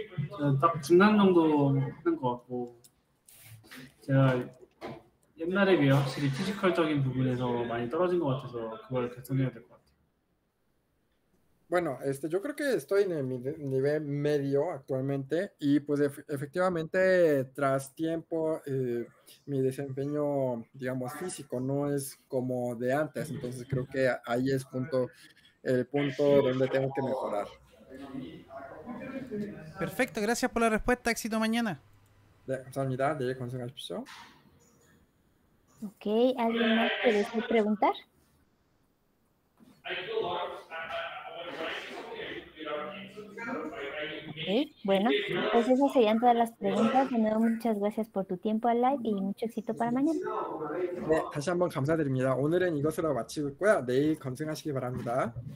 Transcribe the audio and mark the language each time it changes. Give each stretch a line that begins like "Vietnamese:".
Korean: 저는 딱 중간 정도 하는 것 같고, 제가 옛날에 비해 확실히 피지컬적인 부분에서 많이 떨어진 것 같아서 그걸 개선해야 될것 같아요.
Spanish: Bueno, yo creo que estoy en mi nivel medio actualmente y pues efectivamente tras tiempo mi desempeño, digamos, físico no es como de antes, entonces creo que ahí es el punto donde tengo que mejorar. Perfecto, gracias por la respuesta. Éxito mañana. De sanidad, de consejo. Okay, ¿alguien más que desee preguntar? Okay, bueno, pues esas serían todas las preguntas. De nuevo, muchas gracias por tu tiempo al live y mucho éxito para mañana.
Korean: 네, 다시 한번 감사드립니다. 오늘은 이것으로 마치고 있고요. 내일 검증하시기 바랍니다.